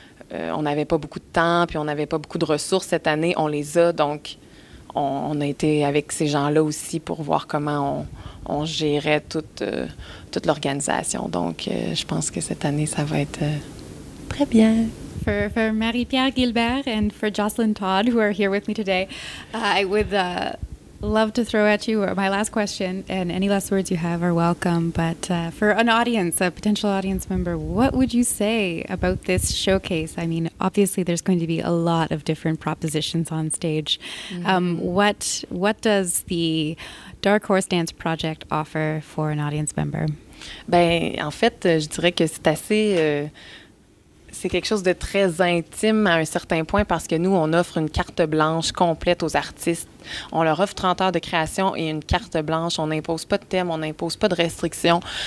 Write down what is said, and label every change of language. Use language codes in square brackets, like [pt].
[fr] on n'avait pas beaucoup de temps, puis on n'avait pas beaucoup de ressources cette année. On les a, donc on a été avec ces gens-là aussi pour voir comment on gérait toute l'organisation. Donc, je pense que cette année, ça va être très bien. [en] For Marie-Pierre Gilbert and for Jocelyn Todd, who are here with me today, I would love to throw at you my last question, and any last words you have are welcome. But for an audience, a potential audience member, what would you say about this showcase? I mean, obviously, there's going to be a lot of different propositions on stage. Mm-hmm. What does the Dark Horse Dance Project offer for an audience member? [fr] Ben, en fait, je dirais que c'est assez. C'est quelque chose de très intime à un certain point parce que nous, on offre une carte blanche complète aux artistes. On leur offre 30 heures de création et une carte blanche. On n'impose pas de thème, on n'impose pas de restrictions.